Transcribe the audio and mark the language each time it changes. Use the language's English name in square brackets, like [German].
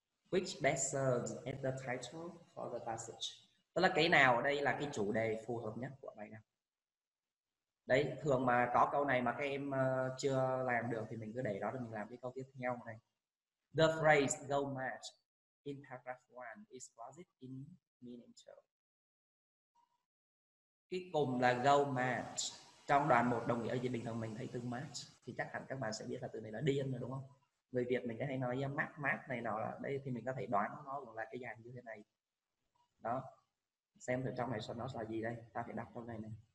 [English] Which best serves as the title for the passage? [Vietnamese] Tức là cái nào ở đây là cái chủ đề phù hợp nhất của bài nào? Đấy, thường mà có câu này mà các em chưa làm được thì mình cứ để đó rồi mình làm cái câu tiếp theo này. [English] The phrase go mad in paragraph 1 is what it in meaning to. [Vietnamese] Cái cùng là go mad. Trong đoạn 1 đồng nghĩa gì? Bình thường mình thấy từ mad thì chắc hẳn các bạn sẽ biết là từ này là điên rồi đúng không? Người Việt mình có hay nói mát mát này nọ, đây thì mình có thể đoán nó cũng là cái dạng như thế này đó. Xem từ trong này xem nó là gì đây, ta phải đọc trong này này.